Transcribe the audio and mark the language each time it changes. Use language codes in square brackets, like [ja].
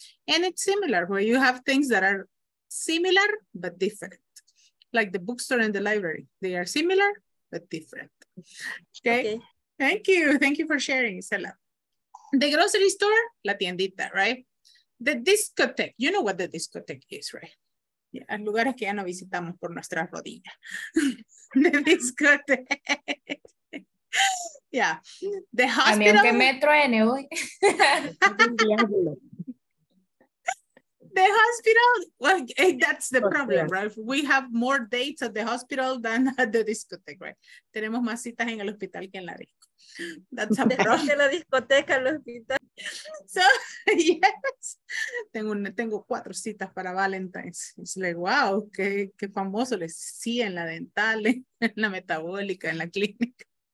[en] And it's similar where you have things that are similar but different, like the bookstore and the library. They are similar but different. Okay, thank you for sharing, Isela. The grocery store, [es] la tiendita, [en] right? The discotheque, you know what the discotheque is, right? [es] A lugares que ya no visitamos por nuestra rodilla. [en] The discotheque. Yeah. The hospital. [es] A mí aunque me truene hoy. [en] The hospital. Well, that's the problem, right? We have more dates at the hospital than at the discotheque, right? [es] Tenemos más citas en el hospital que en la disco. [en] That's a problem. [es] De la discoteca al hospital. [en] So, yes, [es] tengo cuatro citas para Valentine's. [en] It's like, wow, [es] qué famoso les. Sí, en la dental, en la metabólica, en la clínica.